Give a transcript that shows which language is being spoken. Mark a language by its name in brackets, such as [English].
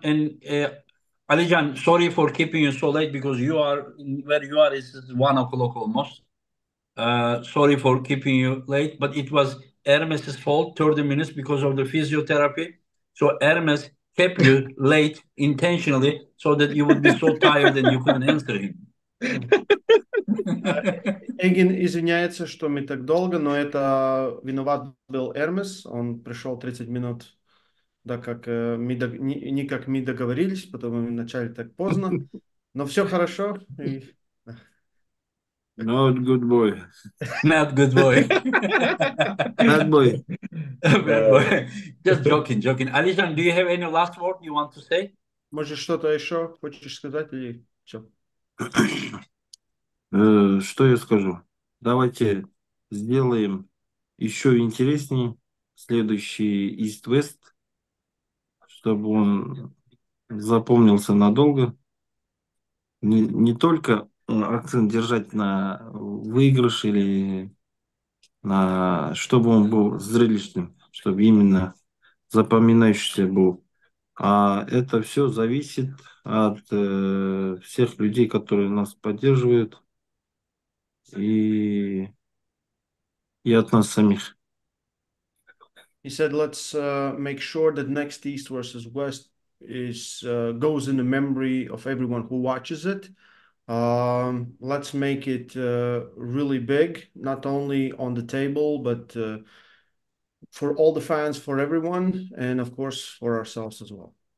[English] And Alijan, sorry for keeping you so late because you are where you are, it's 1 o'clock almost. Sorry for keeping you late, but it was Hermes' fault, 30 minutes because of the physiotherapy. So Hermes kept you late intentionally so that you would be so tired and you couldn't answer him. [Russian] Извиняется, что мы так долго, но это виноват был Эрмес. Он пришел 30 минут, да, как не как мы договорились, потому что мы начали так поздно. Но все хорошо. [English] Not good boy. Not good boy. Bad boy. Bad No. boy. Just joking, joking. Alisson, do you have any last word you want to say? [Russian] Может, что-то еще хочешь сказать или что? Что я скажу? Давайте сделаем еще интереснее следующий East-West, чтобы он запомнился надолго. Не только акцент держать на выигрыш или на чтобы он был зрелищным, чтобы именно запоминающийся был. А это все зависит от всех людей, которые нас поддерживают, и от нас самих. [English] He said, "Let's make sure that next East versus West is goes in the memory of everyone who watches it. Let's make it really big, not only on the table, but for all the fans, for everyone, and of course for ourselves as well."